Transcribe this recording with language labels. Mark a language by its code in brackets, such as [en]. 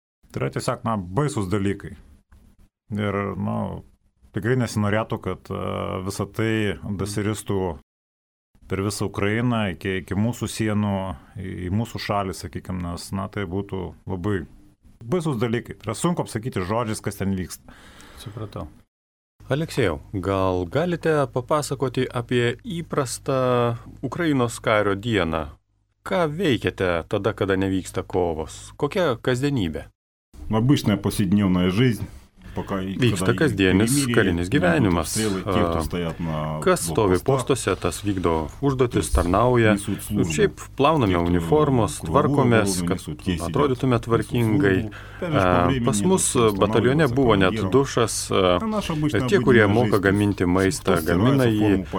[lt] Tai yra tiesiog, baisus dalykai. Ir, tikrai nesinorėtų, kad visa tai dasiristų per visą Ukrainą, iki mūsų sienų, į mūsų šalį, sakykime, nes, tai būtų labai baisus dalykai. Tai yra sunku apsakyti žodžiais, kas ten vyksta. Supratau. Aleksėjau, gal galite papasakoti apie įprastą Ukrainos kario dieną? Ką veikiate tada, kada nevyksta kovos? Kokia kasdienybė? [ru] Обычная повседневная жизнь. [lt] vyksta kasdienis karinis gyvenimas. Kas stovi postuose, tas vykdo užduotis, tarnauja. Šiaip plauname uniformos, tvarkomės, kad atrodytume tvarkingai. Pas mus batalione buvo net dušas. Tie, kurie moka gaminti maistą, gamina jį.